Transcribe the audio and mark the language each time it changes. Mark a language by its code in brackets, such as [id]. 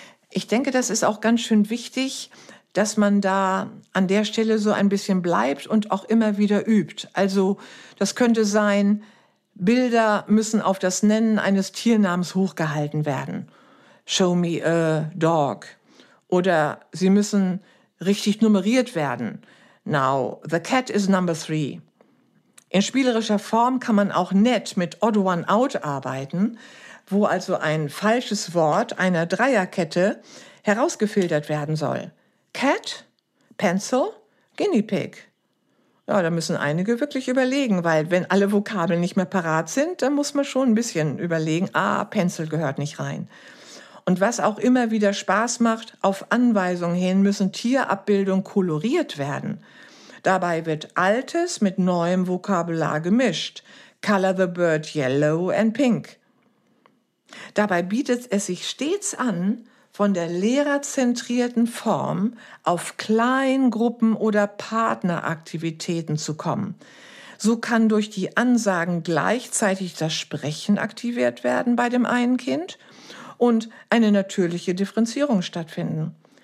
[de] Ich denke, das ist auch ganz schön wichtig, dass man da an der Stelle so ein bisschen bleibt und auch immer wieder übt. Also das könnte sein, Bilder müssen auf das Nennen eines Tiernamens hochgehalten werden. [en] Show me a dog. [de] Oder sie müssen richtig nummeriert werden. [en] Now, the cat is number three. [de] In spielerischer Form kann man auch nett mit [en] odd one out [de] arbeiten, wo also ein falsches Wort einer Dreierkette herausgefiltert werden soll. [en] Cat, Pencil, Guinea Pig. [de] Ja, da müssen einige wirklich überlegen, weil wenn alle Vokabeln nicht mehr parat sind, dann muss man schon ein bisschen überlegen, ah, Pencil gehört nicht rein. Und was auch immer wieder Spaß macht, auf Anweisung hin müssen Tierabbildungen koloriert werden. Dabei wird Altes mit neuem Vokabular gemischt. [en] Color the bird yellow and pink. [de] Dabei bietet es sich stets an, von der lehrerzentrierten Form auf Kleingruppen- oder Partneraktivitäten zu kommen. So kann durch die Ansagen gleichzeitig das Sprechen aktiviert werden bei dem einen Kind und eine natürliche Differenzierung stattfinden.